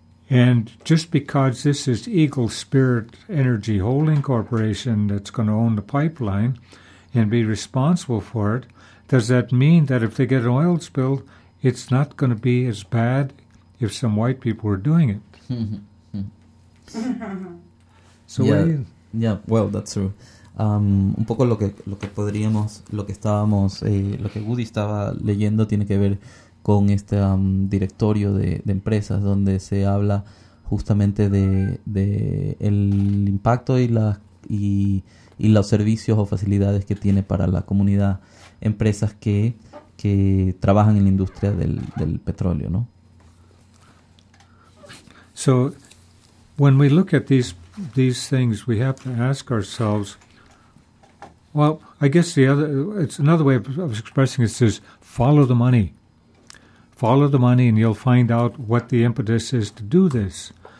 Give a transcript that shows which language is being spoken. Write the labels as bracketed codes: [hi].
[en] And just because this is Eagle Spirit Energy Holding Corporation that's going to own the pipeline and be responsible for it, does that mean that if they get an oil spill, it's not going to be as bad if some white people were doing it? So yeah, what do you... Yeah, well, that's true. [es] Un poco lo que podríamos, lo que estábamos, lo que Woody estaba leyendo tiene que ver con este directorio de empresas donde se habla justamente de el impacto y los servicios o facilidades que tiene para la comunidad empresas que trabajan en la industria del petróleo, ¿no? [en] So when we look at these things, we have to ask ourselves, well, I guess it's another way of expressing it is follow the money. Follow the money and you'll find out what the impetus is to do this.